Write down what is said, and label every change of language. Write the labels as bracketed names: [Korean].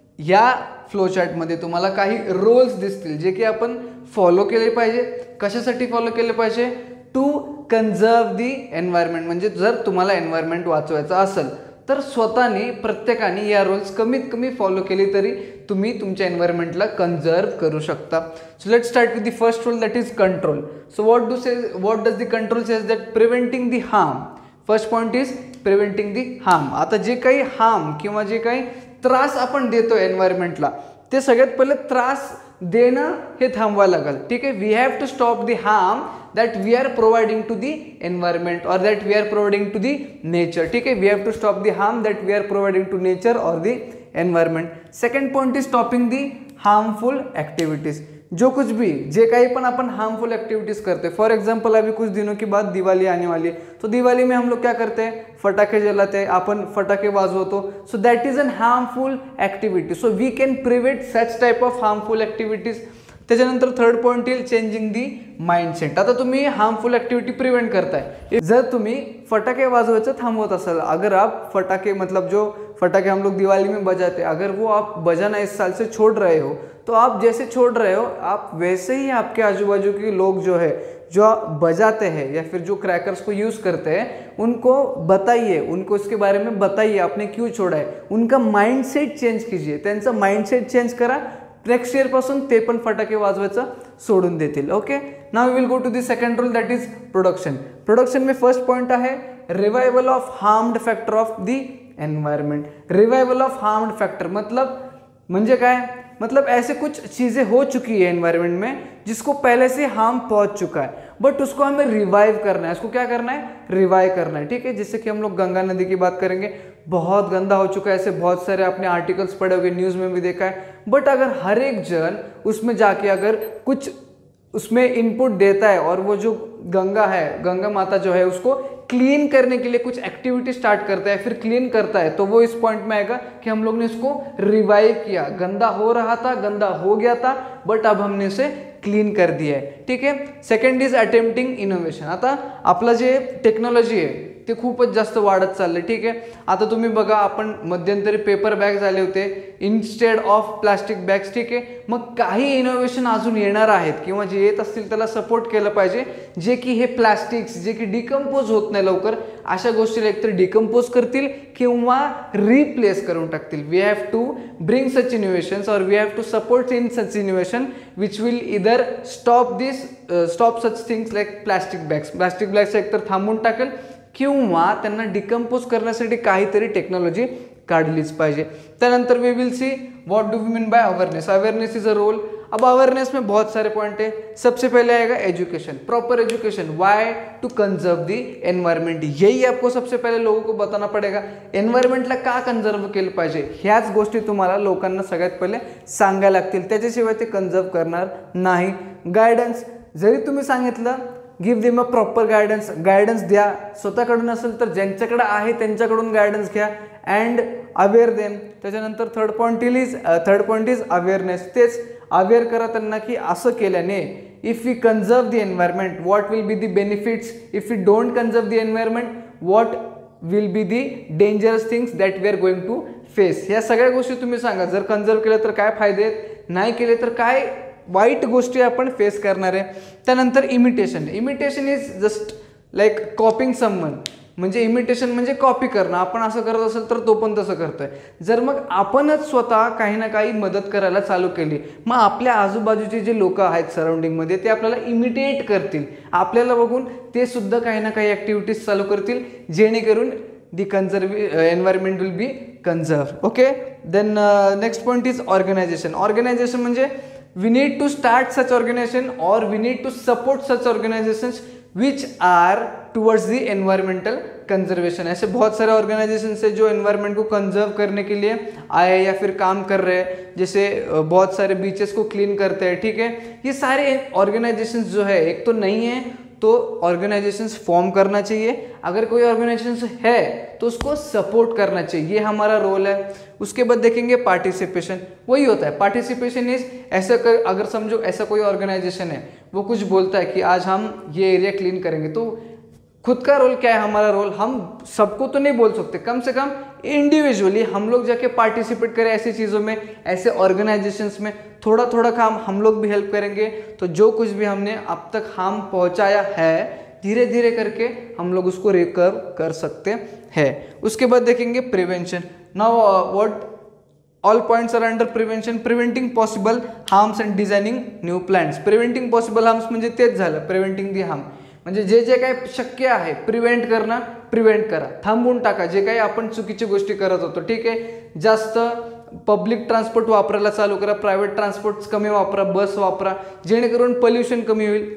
[Marathi] या फ्लोचार्टमध्ये तुम्हाला काही रोल्स दिसतील जे की आपण फॉलो केले पाहिजे. कशासाठी फॉलो केले पाहिजे? [English] To conserve the environment. [Marathi] म्हणजे जर तुम्हाला एन्व्हायरमेंट वाचवायचं असेल तर स्वतःने प्रत्येकाने या रोल्स कमीत कमी फॉलो केले तरी तुम्ही तुमच्या एन्व्हायरमेंटला कन्झर्व करू शकता. [English] So let start with the first rule, that is control. So what do says, what does the control says that preventing the harm. First point is preventing the harm. [Marathi] आता जे काही harm किंवा जे काही त्रास आपण देतो एन्व्हायरमेंटला, ते सगळ्यात पहिले त्रास देणं हे थांबवायला लागेल. [English] ठीक आहे, we have to stop the harm that we are providing to the environment or that we are providing to the nature. ठीक आहे, we have to stop the harm that we are providing to nature or the environment. Second point is stopping the harmful activities. [Hindi] जो कुछ भी, [Marathi] जे काही पण आपण harmful activities करतो. [Hindi] For example, अभी कुछ दिनों की बाद दिवाळी आने वाली है, तो दिवाळी में हम लोग क्या करते हैं, फटाके जलाते हैं, [Marathi] आपण फटाके वाजवतो. [English] So that is an harmful activity. So we can prevent such type of harmful activities. [Marathi] त्याच्यानंतर थर्ड पॉईंट येईल चेंजिंग दी माइंडसेट. आता तुम्ही हार्मफुल ॲक्टिव्हिटी प्रिव्हेंट करताय. जर तुम्ही फटाके वाजवायचं थांबवत असाल, [Hindi] अगर आप फटाके मतलब जो फटाके हम लोग दिवाळी में बजाते, अगर वो आप बजाना इस साल से छोड़ रहे हो, तो आप जैसे छोड़ रहे हो आप वैसे ही आपके आजू बाजू के लोग जो है जो बजाते हैं या फिर जो क्रैकर्स को यूज़ करते हैं उनको बताइए, उनको इसके बारे में बताइए आपने क्यों छोड़ा है. उनका माइंडसेट चेंज कीजिए. [Marathi] त्यांचा माइंडसेट चेंज करा, नेक्स्ट इयरपासून ते पण फटाके वाजवायचं सोडून देतील. [English] Okay, now we will go to the second rule, that is production. [Hindi] Production में [English] First point आहे revival of harmed factor of the environment. [Hindi] Revival of harmed factor मतलब [Marathi] म्हणजे काय, [Hindi] मतलब ऐसे कुछ चीज़ें हो चुकी है एन्वायरमेंट में जिसको पहले से हार्म पहुँच चुका है, बट उसको हमें रिवाइव करना है. उसको क्या करना है, रिवाइव करना है. ठीक है, जैसे कि हम लोग गंगा नदी की बात करेंगे, बहुत गंदा हो चुका है. ऐसे बहुत सारे आपने आर्टिकल्स पढ़े होंगे, न्यूज़ में भी देखा है. बट अगर हर एक जन उसमें जाके अगर कुछ उसमें इनपुट देता है और वो जो गंगा है, गंगा माता जो है, उसको क्लीन करने के लिए कुछ एक्टिविटी स्टार्ट करता है, फिर क्लीन करता है, तो वो इस पॉइंट में आएगा कि हम लोग ने उसको रिवाइव किया. गंदा हो रहा था, गंदा हो गया था, बट अब हमने उसे क्लीन कर दिया है. [English] ठीक है, second is attempting innovation. [Marathi] आता आपला जे टेक्नॉलॉजी है ते खूपच जास्त वाढत चाललं. ठीक आहे, आता तुम्ही बघा, आपण मध्यंतरी पेपर बॅग्स आले होते इन्स्टेड ऑफ प्लास्टिक बॅग्स. ठीक आहे, मग काही इनोव्हेशन अजून येणार आहेत किंवा जे येत असतील त्याला सपोर्ट केलं पाहिजे, जे की हे प्लास्टिक्स जे की डिकम्पोज होत नाही लवकर अशा गोष्टीला एकतर डिकम्पोज करतील किंवा रिप्लेस करून टाकतील. [English] We have to bring such innovations or we have to support in such innovation which will either stop this, stop such things like plastic bags. [Marathi] Plastic bags एकतर थांबून टाकेल किंवा त्यांना डिकम्पोज करण्यासाठी काहीतरी टेक्नॉलॉजी काढलीच पाहिजे. [English] त्यानंतर we will see what do we mean by awareness. Awareness is a role. [Hindi] अब अवेअरनेस में बहुत सारे पॉइंट है. सबसे पहले आएगा education, proper education. [English] why to conserve the environment, [Hindi] यही आपको सबसे पहले लोगों को बताना पड़ेगा. [Marathi] एन्वायरमेंटला का कंजर्व केलं पाहिजे ह्याच गोष्टी तुम्हाला लोकांना सगळ्यात पहिले सांगायला लागतील. त्याच्याशिवाय ते कंजर्व करणार नाही. गायडन्स, जरी तुम्ही सांगितलं [English] give them a proper guidance, [Marathi] guidance द्या. स्वतःकडून असेल तर ज्यांच्याकडे आहे त्यांच्याकडून गायडन्स घ्या [English] And aware them. त्याच्यानंतर third point is awareness. [Marathi] तेच अवेअर करा त्यांना की असं केल्याने [English] If we conserve the environment what will be the benefits, if we don't conserve the environment what will be the dangerous things that we are going to face. [Marathi] ह्या सगळ्या गोष्टी तुम्ही सांगा. जर कन्झर्व केलं तर काय फायदे आहेत, नाही केले तर काय वाईट गोष्टी आपण फेस करणार आहे. [English] त्यानंतर imitation. Imitation is just like copying someone. [Marathi] म्हणजे इमिटेशन म्हणजे कॉपी करणं. आपण असं करत असेल तर तो पण तसं करतोय. जर मग आपणच स्वतः काही ना काही मदत करायला चालू केली, मग आपल्या आजूबाजूचे जे लोक आहेत सराउंडिंगमध्ये ते आपल्याला इमिटेट करतील. आपल्याला बघून ते सुद्धा काही ना काही ॲक्टिव्हिटीज चालू करतील, जेणेकरून [English] the environment will be conserved. Okay, then next point is organization. Organization manje we need to start such organization or we need to support such organizations which are towards the environmental conservation. [Hindi] ऐसे बहुत सारे organizations से जो environment को conserve करने के लिए आए या फिर काम कर रहे हैं, जैसे बहुत सारे beaches को clean करते हैं, ठीक है? ये सारे organizations जो है, एक तो नहीं है, तो organizations form करना चाहिए. अगर कोई organizations है, तो उसको support करना चाहिए. ये हमारा role है. उसके बाद देखेंगे participation. वही होता है. Participation is ऐसा कर, अगर समझो ऐसा कोई organization है, वो कुछ बोलता है कि आज हम ये area clean करेंगे, तो खुद का रोल क्या है, हमारा रोल, हम सबको तो नहीं बोल सकते, कम से कम इंडिविजुअली हम लोग जाके पार्टिसिपेट करें ऐसी चीज़ों में, ऐसे ऑर्गेनाइजेशंस में, थोड़ा थोड़ा काम हम लोग भी हेल्प करेंगे, तो जो कुछ भी हमने अब तक हम पहुंचाया है, धीरे धीरे करके हम लोग उसको रिकवर कर सकते हैं. उसके बाद देखेंगे [English] Prevention. Now what all points are under prevention, preventing possible harms and designing new plants. [Marathi] Preventing possible harms म्हणजे तेच झालं, प्रिवेंटिंग दी हार्म म्हणजे जे जे काही शक्य आहे प्रिव्हेंट करणं, प्रिव्हेंट करा, थांबवून टाका जे काही आपण चुकीची गोष्टी करत होतो, ठीक आहे? जास्त पब्लिक ट्रान्सपोर्ट वापरायला चालू करा, प्रायव्हेट ट्रान्सपोर्ट कमी वापरा, बस वापरा, जेणेकरून पोल्युशन कमी होईल.